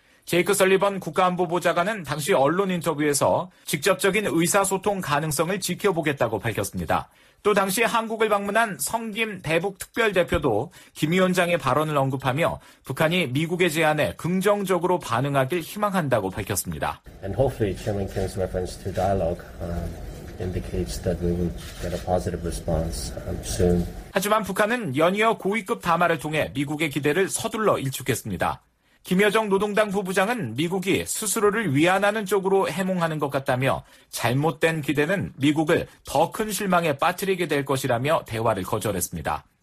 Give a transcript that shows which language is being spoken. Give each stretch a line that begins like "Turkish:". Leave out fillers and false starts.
Korean: 제이크 설리번 국가안보보좌관은 당시 언론 인터뷰에서 직접적인 의사소통 가능성을 지켜보겠다고 밝혔습니다. 또 당시 한국을 방문한 성김 대북특별대표도 김 위원장의 발언을 언급하며 북한이 미국의 제안에 긍정적으로 반응하길 희망한다고 밝혔습니다.
English: And hopefully Chairman Kim's reference to dialogue indicates that we will get a positive response soon.
Korean: 하지만 북한은 연이어 고위급 담화를 통해 미국의 기대를 서둘러 일축했습니다. 김여정 노동당 부부장은 미국이 스스로를 위안하는 쪽으로 해몽하는 것 같다며 잘못된 기대는 미국을 더 큰 실망에 빠뜨리게 될 것이라며 대화를 거절했습니다.